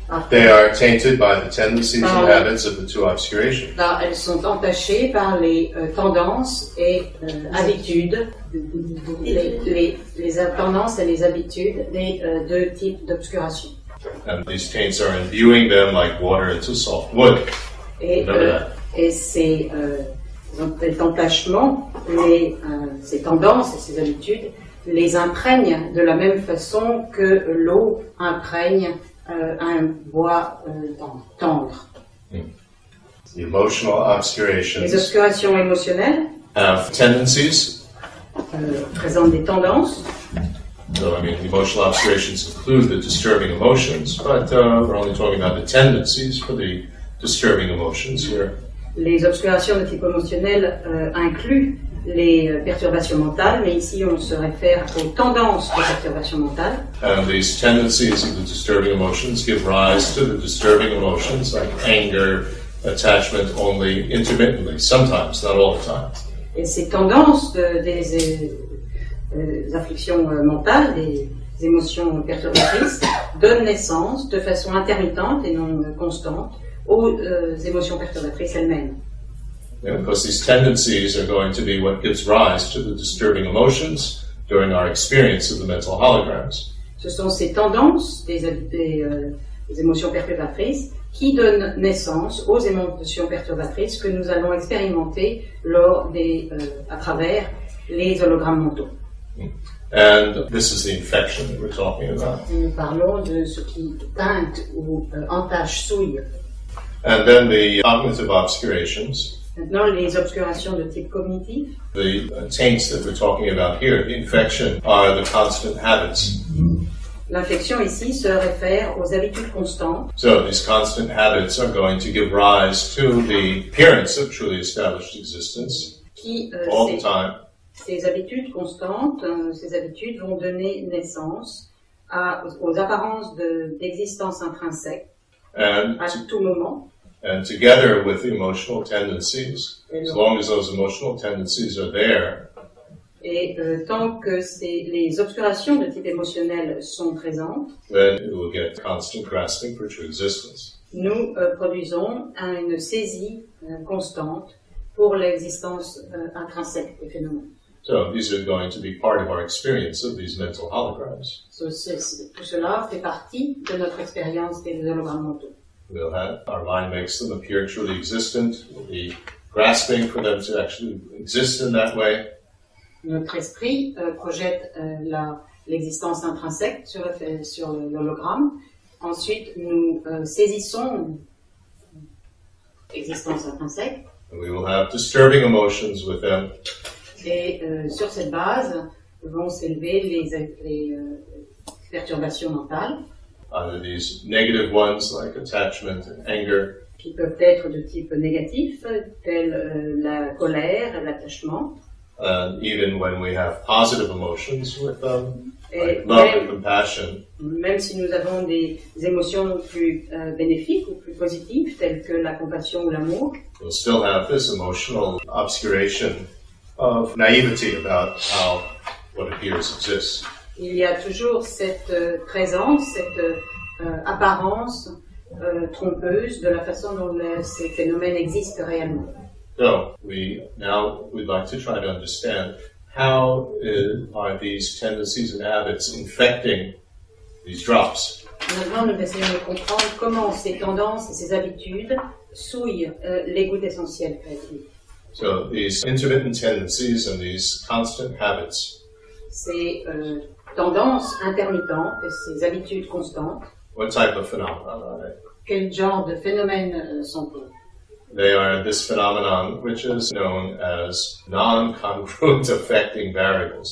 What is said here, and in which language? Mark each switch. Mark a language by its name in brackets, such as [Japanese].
[English] They are tainted by the tendencies and habits of the two obscurations. [French] Alors, elles sont entachées par les tendances et habitudes, les tendances et les habitudes des deux types d'obscuration. [English] And these taints are imbuing them like water into soft wood. [French] Cet entachement, ces tendances et ces habitudes les imprègnent de la même façon que l'eau imprègne un bois tendre. [English] The emotional obscurations. [French] Les obscurations émotionnelles. [English] Have tendencies. [French] Présentent des tendances. [English] So, I mean, emotional obscurations include the disturbing emotions, but we're only talking about the tendencies for the disturbing emotions here. [French] Les obscurations de type émotionnel incluent les perturbations mentales, mais ici on se réfère aux tendances de perturbations mentales. [English] And these tendencies of the disturbing emotions give rise to the disturbing emotions like anger, attachment only intermittently, sometimes, not all the time. [French] Et ces tendances des afflictions mentales, des émotions perturbatrices, donnent naissance de façon intermittente et non constante aux émotions perturbatrices elles-mêmes. [English] Yeah, because these tendencies are going to be what gives rise to the disturbing emotions during our experience of the mental holograms. [French] Ce sont ces tendances des émotions perturbatrices qui donnent naissance aux émotions perturbatrices que nous allons expérimenter lors des à travers les hologrammes mentaux. [English] And this is the infection that we're talking about. [French] Nous parlons de ce qui teinte ou entache, souille. [English] And then the cognitive obscurations. [French] Maintenant, les obscurations de type cognitif. [English] The taints that we're talking about here, the infection, are the constant habits. [French] L'infection ici se réfère aux habitudes constantes. [English] So these constant habits are going to give rise to the appearance of truly established existence all the time. [French] Ces habitudes constantes, ces habitudes vont donner naissance aux apparences d'existence intrinsèque à tout moment. [English] And together with the emotional tendencies, as long as those emotional tendencies are there. [French] Et tant que les obscurations de type émotionnel sont présentes, [English] then it will get constant grasping for true existence. [French] Nous produisons une saisie constante pour l'existence intrinsèque des phénomènes. [English] So these are going to be part of our experience of these mental holograms. [French] So, tout cela fait partie de notre expérience des hologrammes mentaux. [English] We'll have, our mind makes them appear truly existent. We'll be grasping for them to actually exist in that way. [French] Notre esprit projette l'existence intrinsèque sur l'hologramme. Ensuite, nous saisissons l'existence intrinsèque. [English] And we will have disturbing emotions with them. [French] Et sur cette base vont s'élever les perturbations mentales. [English] Either these negative ones like attachment and anger. [French] Qui peuvent être de type négatif, tels la colère, l'attachement. [English] Even when we have positive emotions with them, like love and compassion. [French] Même si nous avons des émotions plus bénéfiques ou plus positives, telles que la compassion ou l'amour. [English] We'll still have this emotional obscuration of naivety about how what appears exists. [French] Il y a toujours cette présence, cette apparence trompeuse de la façon dont ces phénomènes existent réellement. [English] So, we'd like to try to understand how are these tendencies and habits infecting these drops. [French] Maintenant, nous essayons de comprendre comment ces tendances et ces habitudes souillent les gouttes essentielles créatives. [English] So, these intermittent tendencies and these constant habits. [French] Ces tendances intermittentes et ces habitudes constantes. [English] What type of phenomena are they? [French] Quel genre de phénomènes sont-ils? [English] They are this phenomenon which is known as non-congruent affecting variables.